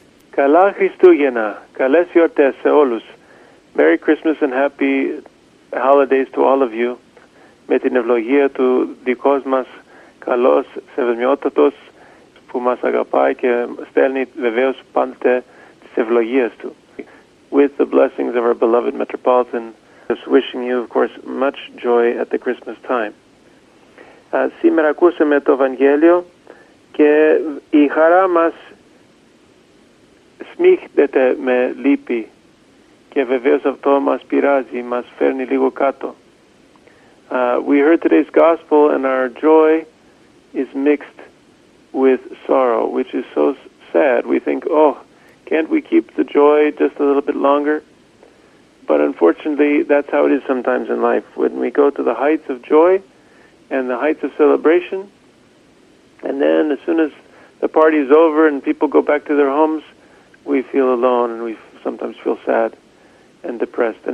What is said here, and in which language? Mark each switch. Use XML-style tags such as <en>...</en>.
<el>Καλά Χριστούγεννα, καλές γιορτές σε όλους.</el> <en>Merry Christmas and happy holidays to all of you.</en> <el>Με την ευλογία του δικός μας καλός σεβασμιότατος που μας αγαπάει και στέλνει βεβαίως πάντοτε τις ευλογίες του.</el> <en>With the blessings of our beloved Metropolitan, just wishing you, of course, much joy at the Christmas time.</en> <el>Σήμερα ακούσαμε το Ευαγγέλιο και η χαρά μας σμίχνεται με λύπη και βεβαίως αυτό μας πειράζει, μας φέρνει λίγο κάτω.</el> <en>We heard today's gospel and our joy is mixed with sorrow, which is so sad. We think, oh, can't we keep the joy just a little bit longer? But unfortunately, that's how it is sometimes in life. When we go to the heights of joy and the heights of celebration, and then as soon as the party is over and people go back to their homes, we feel alone and we sometimes feel sad and depressed.</en>